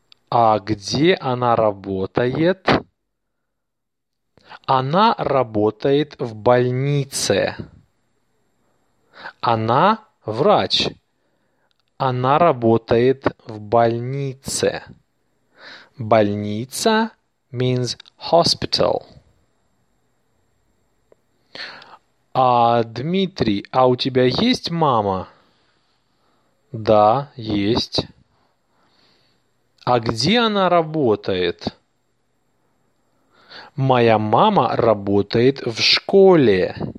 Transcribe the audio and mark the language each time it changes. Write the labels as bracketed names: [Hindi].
[Russian] А где она работает? Она работает в больнице. Она врач. Она работает в больнице. [English] Больница means hospital. [Russian] А Дмитрий, а у тебя есть мама? Да, есть. А где она работает? Моя мама работает в школе.